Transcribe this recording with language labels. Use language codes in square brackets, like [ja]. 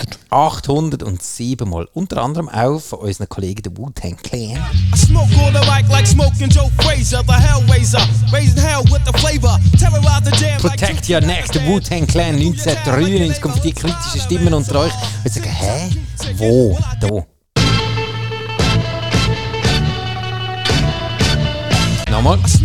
[de] 807 Mal. Unter anderem auch von unseren Kollegen, der Wu-Tang Clan. [en] I smoke all the mic like smoking Joe Frazier, the Hellraiser, raising hell with the flavor. Terrorize the jam. [de] Protect your neck, der Wu-Tang Clan 1993. Kommt die kritischen Stimmen unter euch und sagen: Hä? Wo? Da? Nochmal.